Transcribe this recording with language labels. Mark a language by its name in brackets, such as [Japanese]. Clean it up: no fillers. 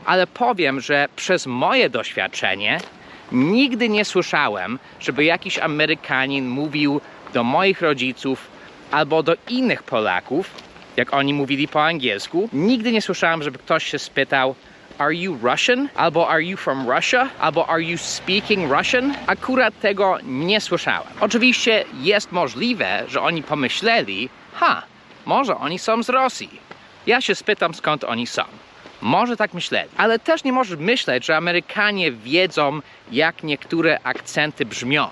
[Polish] Ale powiem, że przez moje doświadczenie nigdy nie słyszałem, żeby jakiś Amerykanin mówił do moich rodziców albo do innych Polaków, jak oni mówili po angielsku. Nigdy nie słyszałem, żeby ktoś się spytał [English] are you Russian? Albo are you from Russia? Albo are you speaking Russian? [Polish] Akurat tego nie słyszałem. Oczywiście jest możliwe, że oni pomyśleli, ha, może oni są z Rosji. Ja się spytam, skąd oni są. Może tak myśleli. Ale też nie możesz myśleć, że Amerykanie wiedzą, jak niektóre akcenty brzmią.